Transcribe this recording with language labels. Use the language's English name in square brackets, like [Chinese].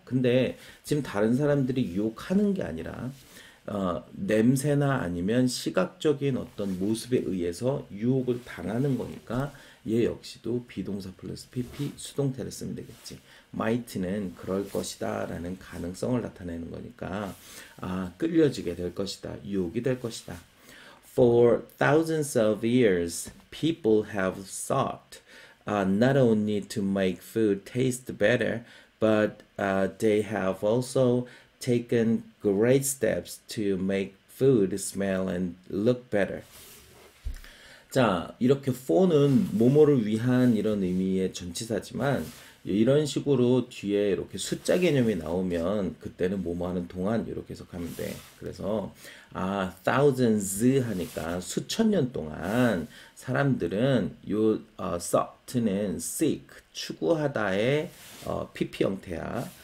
[Korean] 근데 지금 다른 사람들이 유혹하는 게 아니라 냄새나 아니면 시각적인 어떤 모습에 의해서 유혹을 당하는 거니까 얘 역시도 비동사 플러스 PP 수동태를 쓰면 되겠지. Might는 그럴 것이다라는 가능성을 나타내는 거니까, 아, 끌려지게 될 것이다, 유혹이 될 것이다. [English] For thousands of years, people have sought not only to make food taste better, but they have also taken great steps to make food smell and look better. [Korean] 자, 이렇게 for는 뭐뭐를 위한 이런 의미의 전치사지만, 이런 식으로 뒤에 이렇게 숫자 개념이 나오면 그때는 뭐뭐 하는 동안 이렇게 해석하면 돼. 그래서 아, thousands 하니까 수천 년 동안 사람들은 요 sought는 seek, 추구하다의 PP 형태야.